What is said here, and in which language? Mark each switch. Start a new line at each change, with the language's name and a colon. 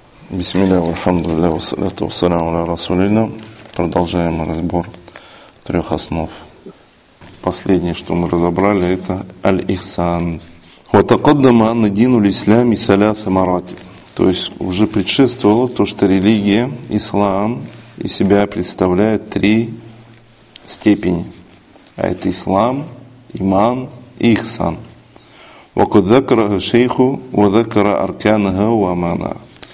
Arabic: بسم الله والحمد لله والصلاة والسلام على رسول الله.
Russian: Продолжаем разбор трех основ. Последнее, что мы разобрали, это аль-ихсан.
Arabic: وتقدم أن دين الإسلام ثلاث مراتب.
Russian: То есть уже предшествовало то, что религия ислам из себя представляет три степени. А это ислам, иман и ихсан.
Arabic: وقد ذكر شيخه وذكر أركانه وأمانه.